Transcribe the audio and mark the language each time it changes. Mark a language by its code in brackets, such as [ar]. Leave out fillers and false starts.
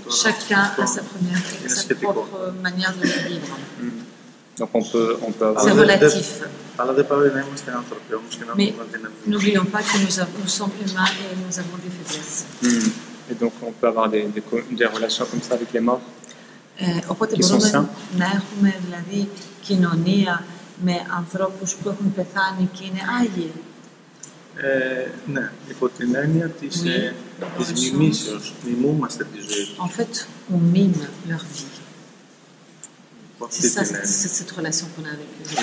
[fr] Chacun a sa propre manière de vivre. Donc on peut, C'est relatif. [el] Αλλά δεν πρέπει να είμαστε άνθρωποι όμως και να μην έχουμε δυναμικό. [fr] N'oublions pas que nous sommes humains et nous avons des faiblesses. Et donc on peut avoir des relations comme ça avec les morts. [el] Οπότε μπορούμε να έχουμε δηλαδή κοινωνία με ανθρώπους που έχουν πεθάνει και είναι άγιοι. Ναι, υπό την έννοια της, της μιμήσεως, μιμούμαστε τη ζωή τους. [fr] En fait, on mime leur vie. C'est cette relation qu'on a avec eux.